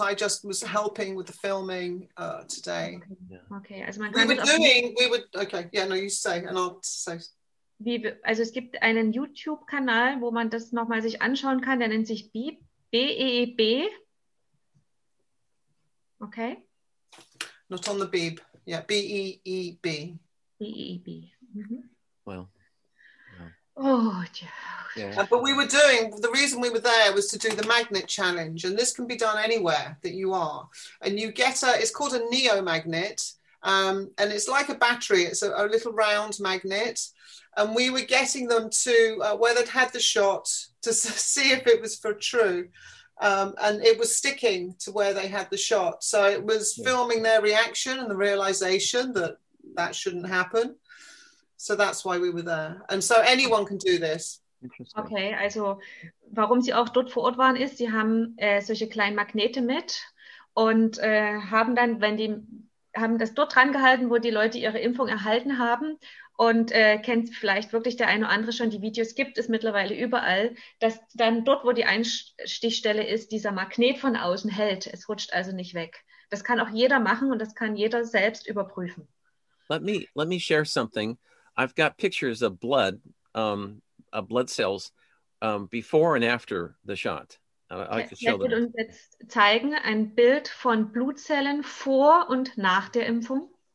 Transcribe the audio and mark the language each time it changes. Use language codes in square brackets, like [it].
[en] I just was helping with the filming today. Okay, also you say and I'll say. [de] Also es gibt einen YouTube Kanal, wo man das nochmal sich anschauen kann, der nennt sich B-E-E-B. Okay. [en] Not on the Beeb. Yeah, B-E-E-B. B-E-E-B. Mm-hmm. Well. Oh yeah. But we were doing, the reason we were there was to do the magnet challenge, and this can be done anywhere that you are. And you get it's called a neo magnet, And it's like a battery. It's a little round magnet. And we were getting them to where they'd had the shot to see if it was for true. And it was sticking to where they had the shot. So it was filming their reaction and the realization that that shouldn't happen. So that's why we were there. And so anyone can do this. [de] Okay, also warum sie auch dort vor Ort waren, ist, sie haben solche kleinen Magnete mit und haben dann, haben das dort dran gehalten, wo die Leute ihre Impfung erhalten haben. Und kennt vielleicht wirklich der eine oder andere schon, die Videos gibt es mittlerweile überall, dass dann dort, wo die Einstichstelle ist, dieser Magnet von außen hält. Es rutscht also nicht weg. Das kann auch jeder machen und das kann jeder selbst überprüfen. [en] Let me share something. I've got pictures of blood, blood cells, before and after the shot. [de] Könnt ihr uns jetzt zeigen, ein Bild von Blutzellen vor und nach der Impfung?